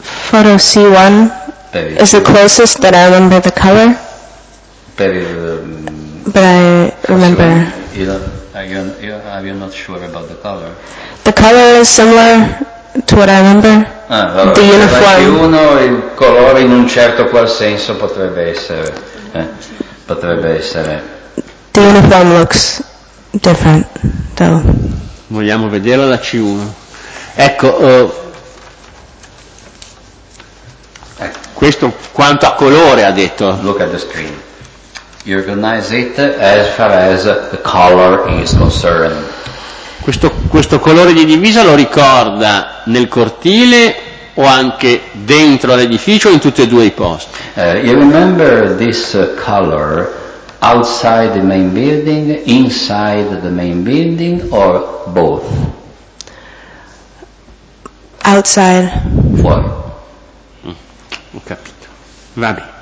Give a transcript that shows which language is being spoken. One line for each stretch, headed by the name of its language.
English: Photo C1 is the closest that I remember the color. But I remember. Are you not sure about the color? The color is similar to what I remember.
Italian: Ah, allora,
English: the uniform.
Italian: Uno, il colore in un certo qual senso potrebbe essere. Potrebbe essere.
English: The uniform looks different, though.
Italian: Vogliamo vederla la C1. Ecco. Questo quanto a colore ha detto.
English: Look at the screen. You recognize it as far as the color is concerned.
Italian: Questo colore di divisa lo ricorda nel cortile o anche dentro l'edificio o in tutti e due i posti?
English: You remember this color outside the main building, inside the main building or both? Outside.
Italian: Fuori. Ho capito. Va bene.